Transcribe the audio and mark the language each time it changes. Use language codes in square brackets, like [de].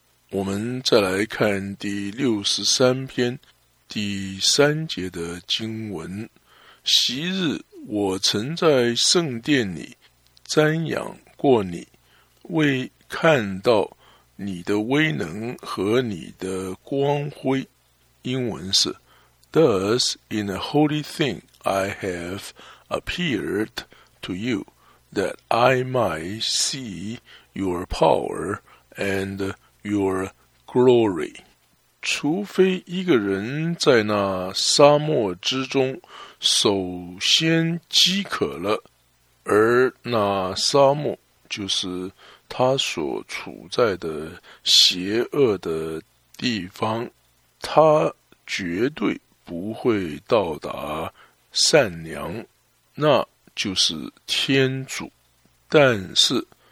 [zh] 我们再来看第63篇第3节的经文，昔日我曾在圣殿里瞻仰过你，为看到你的威能和你的光辉。 [en] 英文是 Thus in a holy thing I have appeared to you, that I might see your power and your glory. [zh] 除非一个人在那沙漠之中首先饥渴了，而那沙漠就是他所处在的邪恶的地方，他绝对不会到达善良，那就是天主。但是